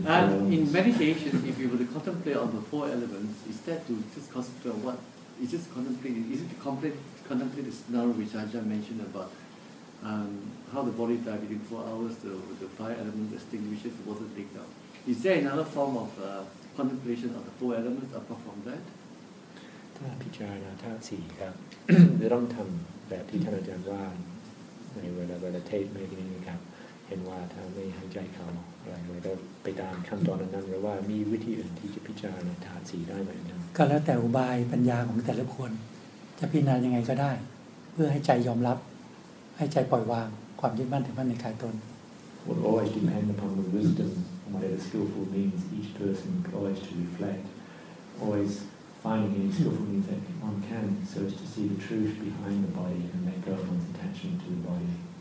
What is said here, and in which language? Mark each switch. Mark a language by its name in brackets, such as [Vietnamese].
[English] And in meditation, if you were to contemplate on the four elements, is that to just concentrate on what? Is just contemplating? Is it to contemplate the scenario which Ajahn mentioned about how the body dies within 4 hours, the fire element extinguishes, the water takes out? Is there another form of contemplation of the four elements apart from that? [Thai] พิจารณาธาตุสี่ครับจะต้องทำแบบที่ท่านอาจารย์ว่าในเวลาเทศไม่กี่นี้ครับเห็นว่าถ้าไม่หายใจเข้าอะไรก็ไปตามขั้นตอนนั้นหรือว่ามีวิธีอื่นที่จะพิจารณาธาตุสี่ได้ไหมครับ ก็แล้วแต่อุบายปัญญาของแต่ละคนจะพิจารณายังไงก็ได้เพื่อให้ใจยอมรับให้ใจปล่อยวางความยึดมั่นถือมั่นในกายตน [English] What always depend upon the wisdom and whatever skillful means each person always to reflect alwaysfinding any skillful means that one can so as to see the truth behind the body and let go of one's attachment to the body.